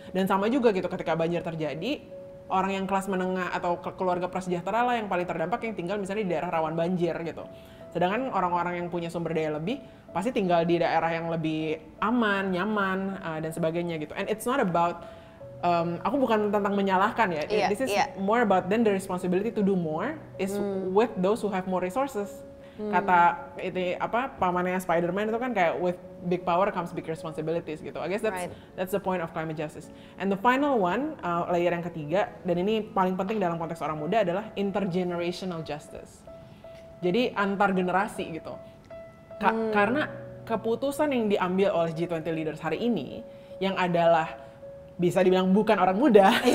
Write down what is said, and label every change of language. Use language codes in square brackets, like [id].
[id] Dan sama juga gitu ketika banjir terjadi, orang yang kelas menengah atau keluarga prasejahtera lah yang paling terdampak, yang tinggal misalnya di daerah rawan banjir gitu. Sedangkan orang-orang yang punya sumber daya lebih pasti tinggal di daerah yang lebih aman, nyaman dan sebagainya gitu. [en] And it's not about [id] aku bukan tentang menyalahkan ya. [en] This is more about then the responsibility to do more is with those who have more resources. [id] Kata itu apa pamannya Spider-Man itu kan kayak [en] with big power comes big responsibilities [id] gitu. [en] I guess that's that's the point of climate justice. And the final one, [id] layer yang ketiga dan ini paling penting dalam konteks orang muda adalah intergenerational justice. Jadi antar generasi gitu. Karena keputusan yang diambil oleh G20 leaders hari ini yang adalah bisa dibilang bukan orang muda.